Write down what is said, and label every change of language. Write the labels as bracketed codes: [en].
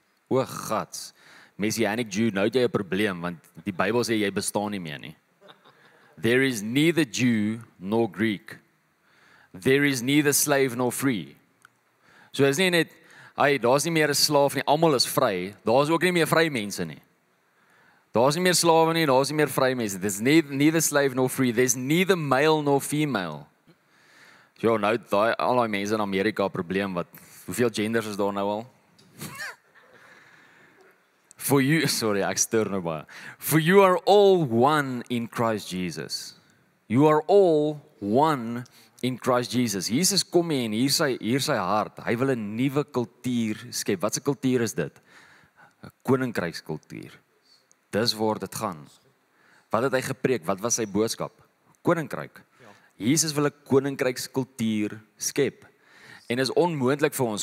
[af] O God, Messianic Jew, nou het jy 'n probleem, want die Bybel sê jy bestaan nie meer nie. [en] There is neither Jew nor Greek. There is neither slave nor free. [af] So is nie net, daar is nie meer 'n slaaf nie, almal is vry, daar is ook nie meer vry mense nie. Daar is nie meer slawe nie, daar is nie meer vry mense. [en] There is neither slave nor free, there is neither male nor female. [af] Jo, nou daai al daai mense in Amerika probleem wat hoeveel genders is daar nou al? [en] For you are all one in Christ Jesus. You are all one in Christ Jesus. [af] Jesus kom hier en hier sy hart. Hy wil 'n nuwe kultuur skep. Wat 'n kultuur is dit? 'N koninkrykskultuur. Dis waar dit gaan. Wat het hy gepreek? Wat was sy boodskap? Koninkryk. Jesus wil 'n koninkrykskultuur skep. En is onmoontlik vir ons.